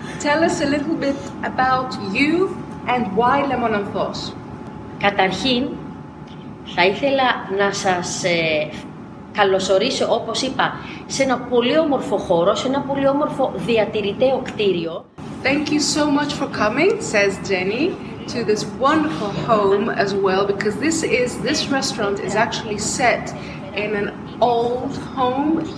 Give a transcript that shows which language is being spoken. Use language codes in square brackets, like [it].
[en] Tell us a little bit about you and why Lemonanthos. [el] Καταρχήν, θα ήθελα να σας καλωσορίσω, όπως είπα, σε ένα πολύ όμορφο χώρο, σε ένα πολύ όμορφο διατηρηταίο κτίριο. [en] Thank you so much for coming, says Jenny, to this wonderful home as well, because this restaurant is actually set in an old home,